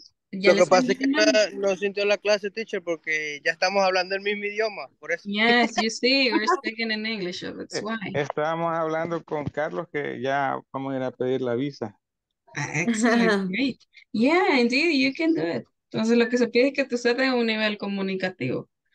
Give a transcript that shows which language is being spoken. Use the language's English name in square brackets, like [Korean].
[Spanish] Lo que pasa es que no sintió la clase, teacher, porque ya estamos hablando el mismo idioma, por eso. [English] Yes, you see, we're speaking in English, so that's why. [Spanish] Estábamos hablando con Carlos que ya vamos a ir a pedir la visa. [English] Excellent, great. Yeah, indeed, you can do it. [Spanish] Entonces lo que se pide es que tú seas de un nivel comunicativo.